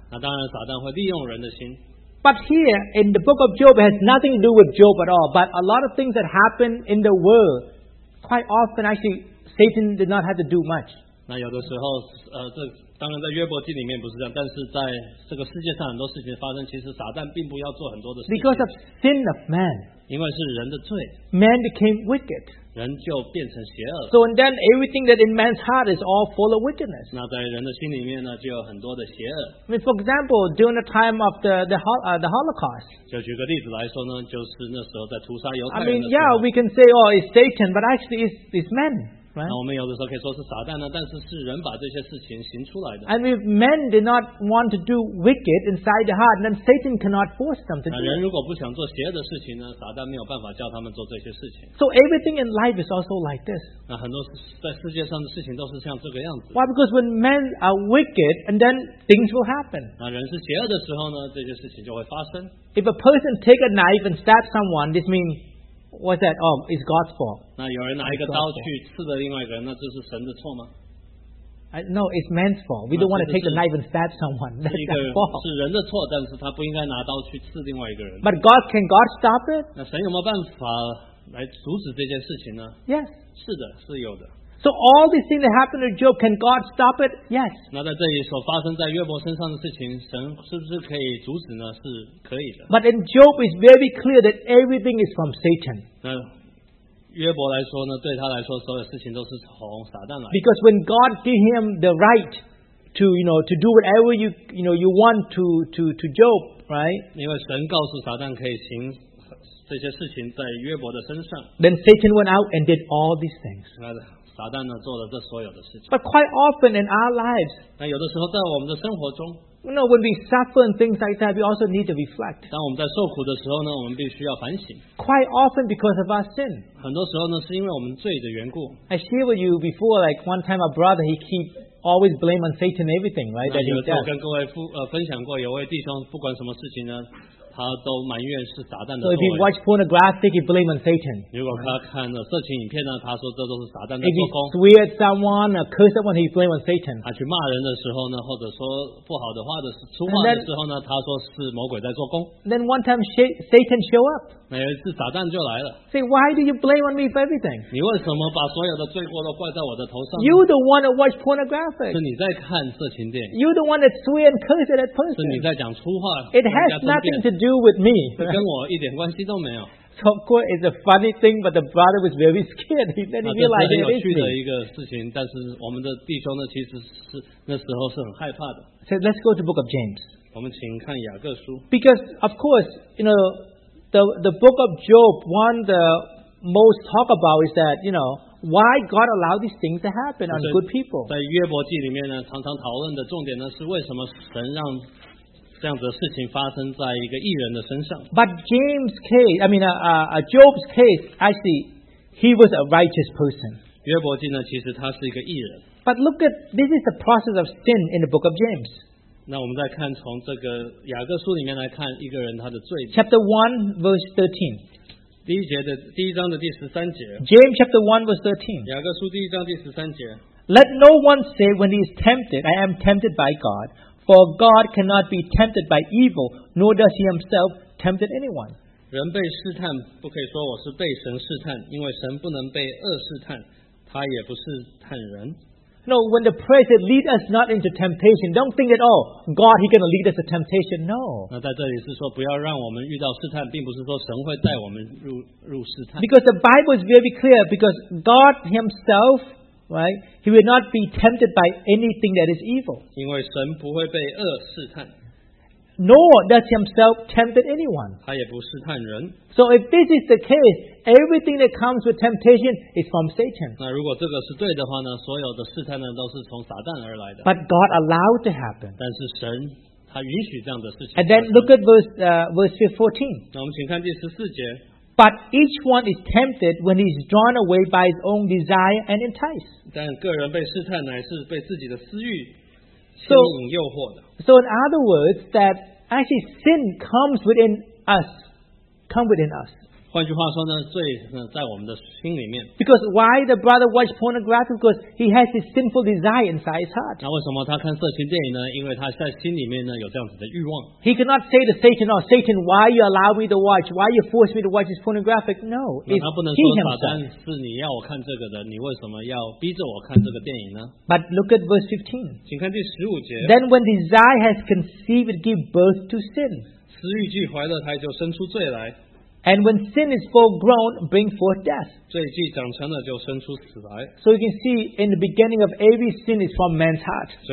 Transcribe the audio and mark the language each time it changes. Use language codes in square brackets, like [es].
[zh] 那当然, 撒旦会利用人的心, [en] But here in the book of Job, it has nothing to do with Job at all. But a lot of things that happen in the world, quite often actually Satan did not have to do much. [zh] 那有的时候，这当然在约伯记里面不是这样，但是在这个世界上很多事情发生，其实撒旦并不要做很多的事情。 [en] Because of sin of man. [zh] 因为是人的罪。 [en] Man became wicked. [zh] 人就变成邪恶。 [en] So and then everything that in man's heart is all full of wickedness. [zh] 那在人的心里面呢，就有很多的邪恶。 [en] I mean, for example, during the time of the Holocaust. [zh] 就举个例子来说呢，就是那时候在屠杀犹太人。 [en] I mean, yeah, we can say, oh, it's Satan, but actually, it's man. Right? [zh] 那我们有的时候可以说是撒旦呢，但是是人把这些事情行出来的。 [en] And if men did not want to do wicked inside the heart, then Satan cannot force them to do it. [zh] 人如果不想做邪恶的事情呢，撒旦没有办法叫他们做这些事情。 [en] So everything in life is also like this. [zh] 那很多在世界上的事情都是像这个样子。 [en] Why? Because when men are wicked, and then things will happen. [zh] 那人是邪恶的时候呢，这些事情就会发生。 [en] If a person take a knife and stab someone, this means. What's that? Oh, it's God's fault. [zh] 那有人拿一个刀去刺了另外一个人，那这是神的错吗？ [en] No, it's man's fault. We don't want to take the knife and stab someone. That's God's fault. [zh] 是人的错，但是他不应该拿刀去刺另外一个人。 [en] But God, can God stop it? [zh] 那神有没有办法来阻止这件事情呢？ [en] Yes. [zh] 是的，是有的。 [en] So all these things that happened to Job, can God stop it? Yes. [zh] 那在这里所发生在约伯身上的事情，神是不是可以阻止呢？是可以的。 [en] But in Job, it's very clear that everything is from Satan. [zh] 那约伯来说呢，对他来说，所有事情都是从撒旦来的。 [en] Because when God gave him the right to, you know, to do whatever you, you know, you want to Job, right? [zh] 因为神告诉撒旦可以行。这些事情在约伯的身上。 [en] Then Satan went out and did all these things. [zh] 那撒旦呢做了这所有的事情。 [en] But quite often in our lives, [zh] 那有的时候在我们的生活中， [en] you know, when we suffer and things like that, we also need to reflect. [zh] 当我们在受苦的时候呢，我们必须要反省。 [en] Quite often because of our sin. [zh] 很多时候呢，是因为我们罪的缘故。 [en] I shared with you before, like one time a brother he keep always blame on Satan everything, right? [zh] 那有的时候跟各位分享过，有位弟兄不管什么事情呢。他都埋怨是撒旦的作为。 [en] So if you watch pornographic, you blame on Satan. [zh] 如果他看了色情影片呢，他说这都是撒旦的作工。 [en] If you swear at someone, curse someone, he blame on Satan. [zh] 他去骂人的时候呢，或者说不好的话的出话的时候呢，他说是魔鬼在作工。 [en] Then one time Satan show up. [zh] 那有一次撒旦就来了。 [en] Say, why do you blame on me for everything? [zh] 你为什么把所有的罪过都怪在我的头上？ [en] You the one that watch pornographic. [zh] 是你在看色情电影。 [en] You the one that swear and curse at that person. [zh] 是你在讲粗话。 [en] It has nothing to do with me. [zh] 跟我一点关系都没有。 [en] So of course it's a funny thing, but the brother was very scared. He didn't realize it. [zh] 这是很有趣的一个事情，但是我们的弟兄呢，其实是那时候是很害怕的。 [en] So let's go to Book of James. [zh] 我们请看雅各书。 [en] Because of course, you know, the Book of Job, one the most talk about is that, you know, why God allow these things to happen on good people. [zh] 在约伯记里面呢，常常讨论的重点呢，是为什么神让这样子的事情发生在一个义人的身上。 [en] But James' case, I mean, Job's case, actually, he was a righteous person. [zh] 约伯记呢，其实他是一个义人。 [en] But look at this is the process of sin in the book of James. [zh] 那我们再看从这个雅各书里面来看一个人他的罪。 [en] Chapter 1, verse 13. [zh] 第一节的第一章的第十三节。 [en] James chapter 1 verse 13. [zh] 雅各书第一章第十三节。 [en] Let no one say when he is tempted, I am tempted by God. For God cannot be tempted by evil, nor does he himself tempt anyone. [zh] 人被试探，不可以说我是被神试探，因为神不能被恶试探，他也不试探人。 [en] No, when the prayer says, lead us not into temptation, don't think that, oh, God, he's going to lead us to temptation. No. [zh] 那在这里是说不要让我们遇到试探，并不是说神会带我们 入试探。 [en] Because the Bible is very clear, because God himself, right, he will not be tempted by anything that is evil. [zh] 因为神不会被恶试探。 [en] Nor does himself tempt anyone. [zh] 他也不试探人。 [en] So if this is the case, everything that comes with temptation is from Satan. [zh] 那如果这个是对的话呢？所有的试探呢，都是从撒旦而来的。 [en] But God allowed to happen. [zh] 但是神他允许这样的事情。 [en] And then look at verse 14. [zh] 那我们请看第十四节。 [en] But each one is tempted when he is drawn away by his own desire and enticed. [zh] 但个人被试探乃是被自己的私欲吸引诱惑的。 [en] So in other words, that actually sin comes within us. [zh] 换句话说呢，罪在我们的心里面。 [en] Because why the brother watched pornography? Because he has this sinful desire inside his heart. [zh] 那为什么他看色情电影呢？因为他在心里面呢有这样子的欲望。 [en] He cannot say to Satan, "Oh, Satan, why you allow me to watch? Why you force me to watch this pornographic?" No, it's he himself. [zh] 是你要我看这个的，你为什么要逼着我看这个电影呢？ [en] But look at verse 15. [zh] 请看第15节。 [en] Then when desire has conceived, it gives birth to sin. [zh] 私欲既怀了，它就生出罪来。 [en] And when sin is full grown, bring forth death. [zh] 罪既长成了，就生出死来。 [en] So you can see in the beginning of every sin is from man's heart.